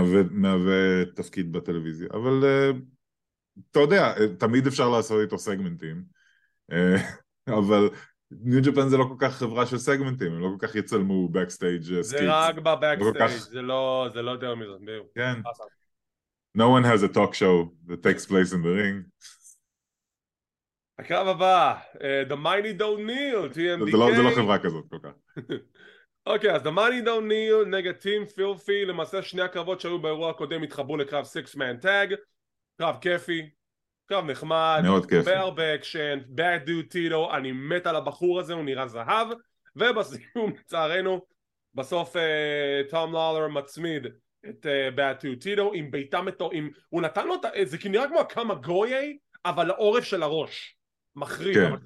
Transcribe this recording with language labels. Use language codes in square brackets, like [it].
[he] מהווה תפקיד בטלוויזיה, אבל אתה יודע, תמיד אפשר לעשות איתו סגמנטים, אבל ניו ג'פן זה לא כל כך חברה של סגמנטים, הם לא כל כך יצלמו בקסטייג' סקיץ. זה רק בבקסטייג', זה לא יותר מזה. כן. [en] No one has a talk show that takes place in the ring. [he] הקרב הבא, The Mighty Don't Kneel, TMDK. זה לא חברה כזאת כל כך. אוקיי, אז The Money Don't Kneel נגד Team Filthy, למעשה שני הקרבות שהיו באירוע הקודם התחברו לקרב Six Man Tag, קרב כיפי, קרב נחמד, מאוד כיפי, הרבה אקשן, Bad Dude Tito, אני מת על הבחור הזה, הוא נראה זהב, ובסיום, לצערנו, בסוף טום לולר מצמיד את Bad Dude Tito, עם ביתה מתואם, הוא נתן לו את זה, כי נראה כמו הקמה גויי, אבל העורף של הראש, מחריד, כן.